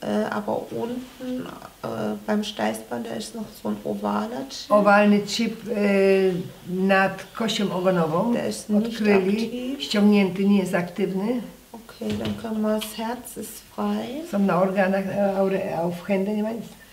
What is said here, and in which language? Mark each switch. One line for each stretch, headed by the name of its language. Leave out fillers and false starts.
German: Aber unten beim Steißband, da ist noch so ein ovaler Chip.
Polish: Owalny chip nad kością ogonową.
German: Der ist nicht aktiv.
Polish: Ściągnięty, nie jest aktywny.
German: Okay, dann können wir, das Herz ist frei. Sind na Organen, auf Händen, nicht?